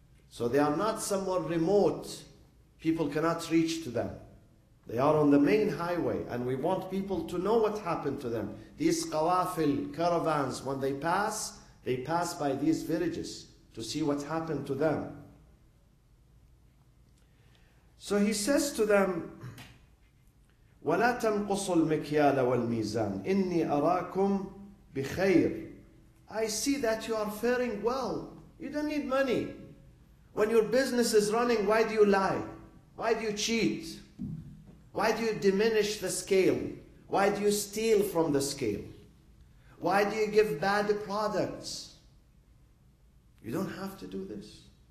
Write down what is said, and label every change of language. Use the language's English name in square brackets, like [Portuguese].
[English] So they are not somewhere remote. People cannot reach to them. They are on the main highway, and we want people to know what happened to them. These qawafil, caravans, when they pass by these villages to see what happened to them. So he says to them, [Arabic] وَلَا تَنْقُصُوا الْمِكْيَالَ وَالْمِيزَانِ إِنِّي أَرَاكُمْ بِخَيْرٍ. [English] I see that you are faring well. You don't need money. When your business is running, why do you lie? Why do you cheat? Why do you diminish the scale? Why do you steal from the scale? Why do you give bad products? You don't have to do this.